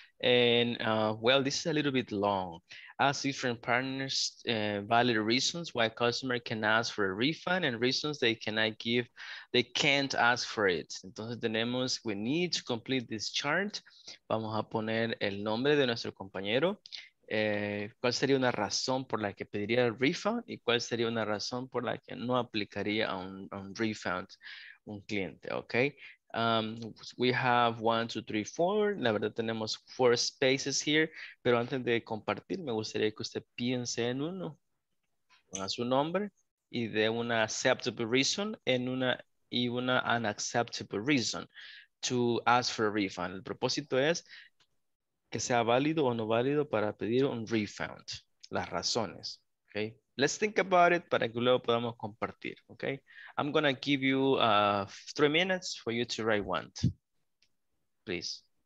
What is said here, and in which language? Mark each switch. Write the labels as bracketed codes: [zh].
[en] And well, this is a little bit long. Ask different partners valid reasons why a customer can ask for a refund and reasons they can't ask for it. [es] Entonces tenemos, [en] we need to complete this chart. [es] Vamos a poner el nombre de nuestro compañero. ¿Cuál sería una razón por la que pediría el refund? ¿Y cuál sería una razón por la que no aplicaría un refund un cliente? Okay. [en] We have 1, 2, 3, 4. [es] La verdad tenemos 4 [en] spaces here, [es] pero antes de compartir, me gustaría que usted piense en uno, ponga su nombre y dé una [en] acceptable reason [es] en una y una [en] unacceptable reason to ask for a refund. [es] El propósito es que sea válido o no válido para pedir un refund. Las razones, okay? [en] Let's think about it [es] para que luego podamos compartir, okay? [en] I'm gonna give you 3 minutes for you to write one, please.